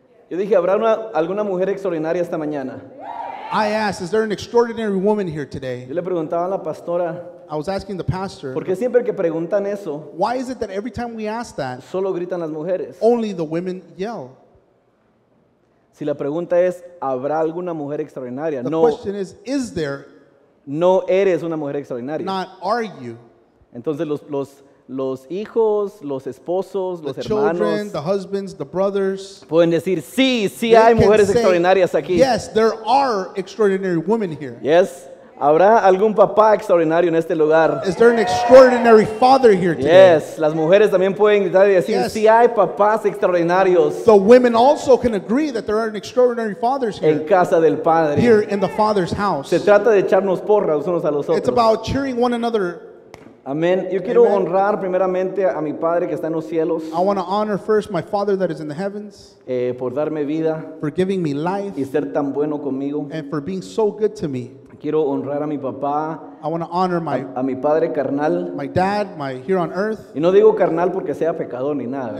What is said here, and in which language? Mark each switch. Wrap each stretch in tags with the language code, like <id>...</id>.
<es>Yo dije, ¿habrá alguna mujer extraordinaria esta mañana?</es> <en>I asked, is there an extraordinary woman here today?</en> <es>Yo le preguntaba a la pastora.</es> <en>I was asking the pastor.</en> <es>Porque siempre que preguntan eso,</es> <en>why is it that every time we ask that,</en> <es>solo gritan las mujeres?</es> <en>Only the women yell.</en> <es>Si la pregunta es, ¿habrá alguna mujer extraordinaria?</es> <en>The</en> <es>no,</es> <en>question is there?</en> <es>No eres una mujer extraordinaria.</es> <en>Not are you.</en> <es>Entonces los hijos, los esposos, los</es> <en>the</en> <es>hermanos,</es> <en>children, the husbands, the brothers,</en> <es>pueden decir, sí, sí hay mujeres extraordinarias aquí.</es> <en>Yes, there are extraordinary women here. Yes.</en> <es>¿Habrá algún papá extraordinario en este lugar?</es> <en>Is there an extraordinary father here today? Yes,</en> <es>las mujeres también pueden gritar y decir,</es> <en>yes.</en> <es>Sí hay papás extraordinarios.</es> <en>The women also can agree that there are an extraordinary fathers here.</en> <es>En casa del padre.</es> <en>Here in the father's house.</en> <es>Se trata de echarnos porras unos a los otros.</es> <en>It's about cheering one another.</en> <es>Amén. Yo quiero Amen. Honrar primeramente a mi padre que está en los cielos.</es> <en>I want to honor first my father that is in the heavens.</en> <es>Por darme vida.</es> <en>For giving me life.</en> <es>Y ser tan bueno conmigo.</es> <en>And for being so good to me.</en> <es>Quiero honrar a mi papá.</es> <en>I want to honor</en> <es>a mi padre carnal.</es> <en>My dad, here on earth.</en> <es>Y no digo carnal porque sea pecador ni nada.</es>